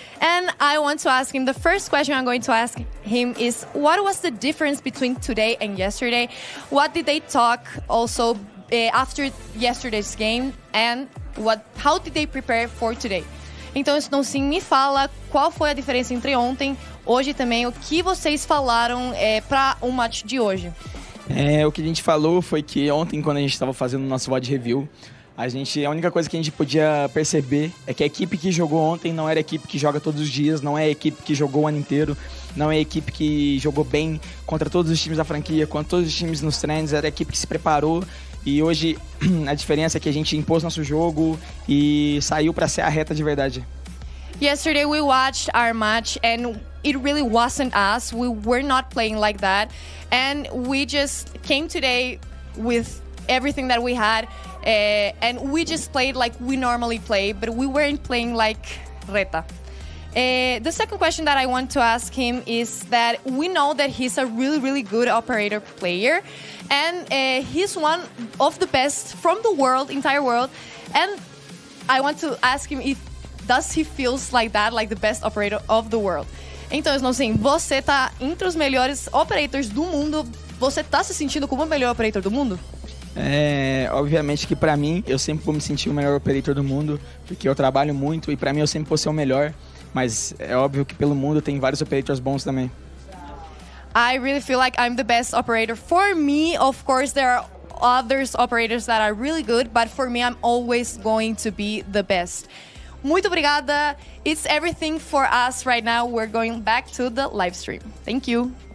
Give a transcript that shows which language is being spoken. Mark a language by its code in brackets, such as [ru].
[en] And I want to ask him, the first question I'm going to ask him is, what was the difference between today and yesterday? What did they talk also after yesterday's game? And how did they prepare for today? [pt] Então, Snow Singh, me fala qual foi a diferença entre ontem, hoje também, o que vocês falaram para o match de hoje? O que a gente falou foi que ontem, quando a gente estava fazendo o nosso VOD review, a única coisa que a gente podia perceber é que a equipe que jogou ontem não era a equipe que joga todos os dias, não é a equipe que jogou o ano inteiro, não é a equipe que jogou bem contra todos os times da franquia, contra todos os times nos trends, era a equipe que se preparou. E hoje a diferença é que a gente impôs nosso jogo e saiu para ser a reta de verdade. [en] Yesterday we watched our match and it really wasn't us. We were not playing like that. And we just came today with everything that we had. And we just played like we normally play, but we weren't playing like Reta. The second question that I want to ask him is that we know that he's a really, really good operator player. And he's one of the best from the world, entire world. And I want to ask him if does he feels like that, like the best operator of the world? [pt] Então, Snow Singh, você tá entre os melhores operators do mundo. Você tá se sentindo como o melhor operator do mundo? Obviamente que pra mim, eu sempre vou me sentir o melhor operator do mundo, porque eu trabalho muito e pra mim eu sempre vou ser o melhor. Mas é óbvio que pelo mundo tem vários operators bons também. [en] I really feel like I'm the best operator. For me, of course, there are others operators that are really good, but for me, I'm always going to be the best. [pt] Muito obrigada. [en] It's everything for us right now. We're going back to the live stream. Thank you.